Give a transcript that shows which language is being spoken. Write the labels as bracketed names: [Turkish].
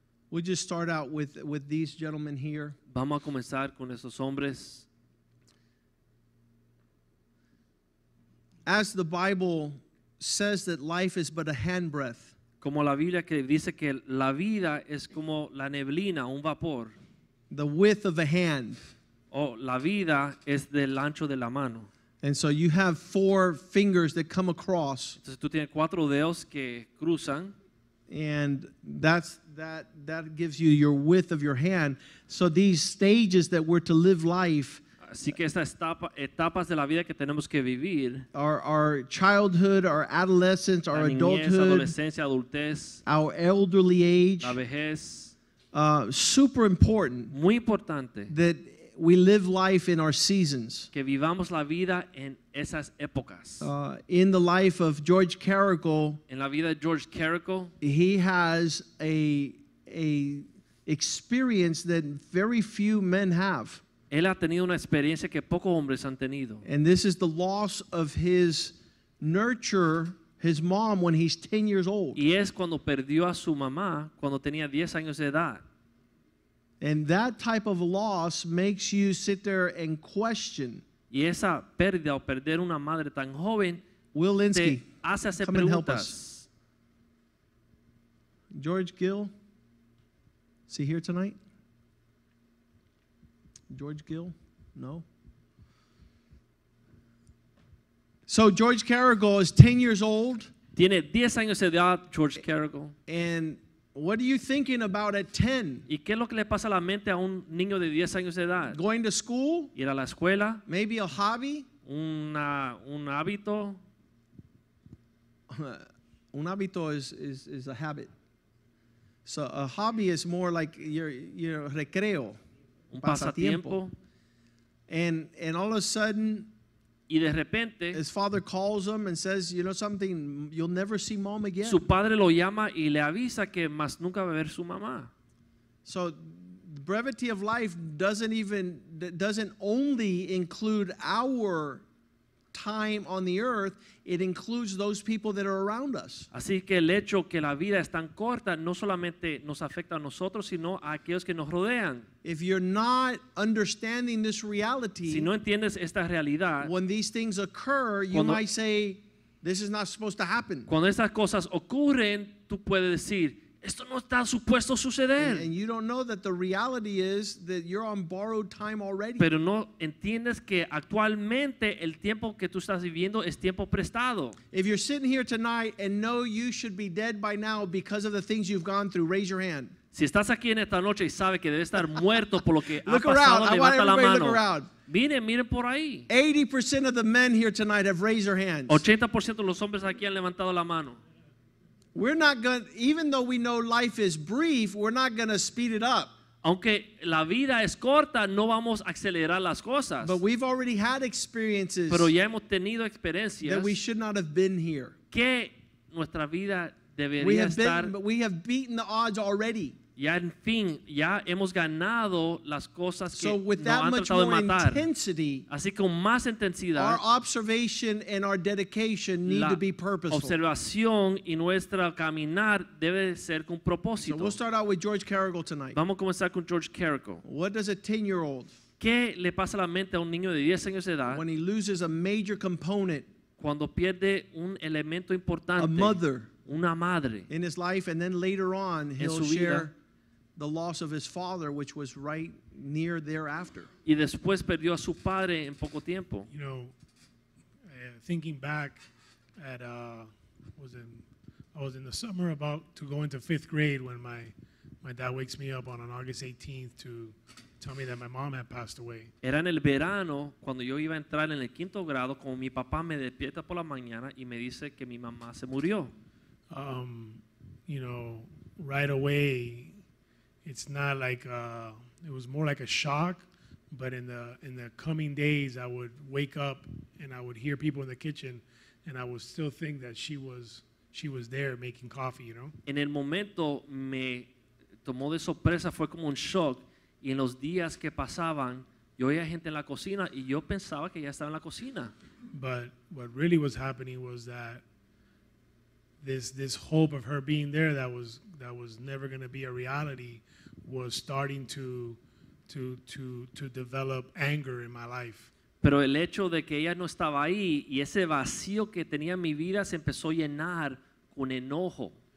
[English] We'll just start out with these gentlemen here. [Spanish] Vamos a comenzar con esos hombres. [English] As the Bible says that life is but a handbreadth. [Spanish] Como la Biblia que dice que la vida es como la neblina, un vapor. [English] The width of a hand. [Spanish] Oh, la vida es del ancho de la mano. [English] And so you have four fingers that come across. [Spanish] Entonces tú tienes cuatro dedos que cruzan. [English] And that gives you your width of your hand. So these stages that we're to live life. [Spanish] Así que estas etapas de la vida que tenemos que vivir, [English] our childhood, our adolescence, our adulthood, [Spanish] adolescencia, adultez, [English] our elderly age, [Spanish] la vejez, [English] super important, [Spanish] muy importante, [English] that we live life in our seasons, [Spanish] que vivamos la vida en esas épocas. [English] In the life of George Carrigal, [Spanish] en la vida de George Carrigal, [English] he has a experience that very few men have. [Spanish] Él ha tenido una experiencia que pocos hombres han tenido. [English] And this is the loss of his nurture, his mom, when he's 10 years old. [Spanish] Y es cuando perdió a su mamá cuando tenía 10 años de edad. [English] And that type of loss makes you sit there and question. [Spanish] Y esa pérdida o perder una madre tan joven, [English] Will Linsky, [Spanish] te hace hacer [English] come [Spanish] preguntas. [English] And help us. George Gill, is he here tonight? George Gill? No. So George Carrigal is 10 years old. [Spanish] Tiene 10 años de edad, George Carrigal. [English] And what are you thinking about at 10? [Spanish] ¿Y qué es lo que le pasa a la mente a un niño de 10 años de edad? [English] Going to school? [Spanish] Ir a la escuela? [English] Maybe a hobby? [Spanish] Un hábito. Un hábito [English] is a habit. So a hobby is more like your recreo. [Spanish] Un pasatiempo. [English] And all of a sudden, [Spanish] y de repente, [English] his father calls him and says, you know something, you'll never see mom again. [Spanish] Su padre lo llama y le avisa que más nunca va a ver su mamá. [English] So the brevity of life doesn't only include our time on the earth, it includes those people that are around us. [Spanish] Así que el hecho que la vida es tan corta no solamente nos afecta a nosotros, sino a aquellos que nos rodean. [English] If you're not understanding this reality, [Spanish] si no entiendes esta realidad, [English] when these things occur, you might say, this is not supposed to happen. [Spanish] Cuando estas cosas ocurren, tú puedes decir, esto no está supuesto suceder. [English] And you don't know that the reality is that you're on borrowed time already. [Spanish] Pero no entiendes que actualmente el tiempo que tú estás viviendo es tiempo prestado. [English] If you're sitting here tonight and know you should be dead by now because of the things you've gone through, raise your hand. [Spanish] Si estás aquí en esta noche y sabe que debe estar muerto por lo que [English] look [Spanish] ha pasado, [English] around. [Spanish] Levanta la mano. [English] Look around. [Spanish] Miren por ahí. [English] 80% of the men here tonight have raised their hands. [Spanish] 80% de los hombres aquí han levantado la mano. [English] We're not going, even though we know life is brief, we're not going to speed it up. [Spanish] Aunque la vida es corta, no vamos a acelerar las cosas. [English] But we've already had experiences. [Spanish] Pero ya hemos tenido experiencias. [English] That we should not have been here. [Spanish] Que nuestra vida debería estar. [English] We have beaten the odds already. [Spanish] Ya en fin, ya hemos ganado las cosas que [English] so [Spanish] nos han tratado de matar. [English] Intensity, [Spanish] así con más intensidad, [English] our observation and our dedication need [Spanish] la [English] to be purposeful. [Spanish] Observación y nuestro caminar debe ser con propósito. [English] So we'll start out with George Caragol tonight. [Spanish] Vamos a comenzar con George Caragol. [English] What does a 10-year-old, [Spanish] ¿qué le pasa a la mente a un niño de 10 años de edad [English] when he loses a major component, [Spanish] cuando pierde un elemento importante, [English] a mother, [Spanish] una madre, [English] in his life, and then later on he'll share the loss of his father, which was right near thereafter. [Spanish] Y después perdió a su padre en poco tiempo. [English] You know, thinking back at I was in the summer about to go into fifth grade when my dad wakes me up on an August 18th to tell me that my mom had passed away. [Spanish] Era en el verano cuando yo iba a entrar en el quinto grado como mi papá me despierta por la mañana y me dice que mi mamá se murió. [English] You know, right away, it's not like it was more like a shock. But in the coming days, I would wake up and I would hear people in the kitchen, and I would still think that she was there making coffee. You know. [Spanish] En el momento me tomó de sorpresa, fue como un shock. Y en los días que pasaban, yo veía gente en la cocina y yo pensaba que ya estaba en la cocina. [English] But what really was happening was that this hope of her being there that was never going to be a reality was starting to develop anger in my life. [Spanish] Pero el hecho de que ella no estaba ahí y ese vacío que tenía en mi vida se empezó a llenar con enojo.